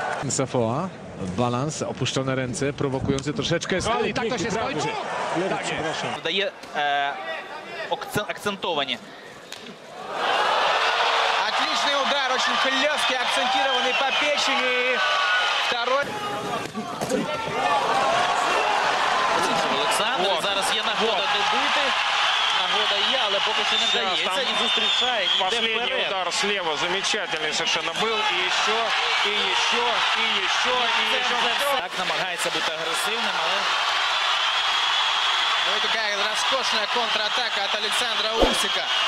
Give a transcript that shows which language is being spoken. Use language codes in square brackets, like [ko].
[ru] Сафоа, баланс, опущенные руки, провокирующие трошечки. И так то сейчас дает акцентование. Отличный удар, очень хлесткий, акцентированный по печени. Второй. [uk] Александр, зараз є нагода дебюти. [ru] Последний удар слева замечательный совершенно был. И еще, и еще, и еще, и еще. Так намагается быть агрессивным, но... Вот такая роскошная контратака от Александра Усика.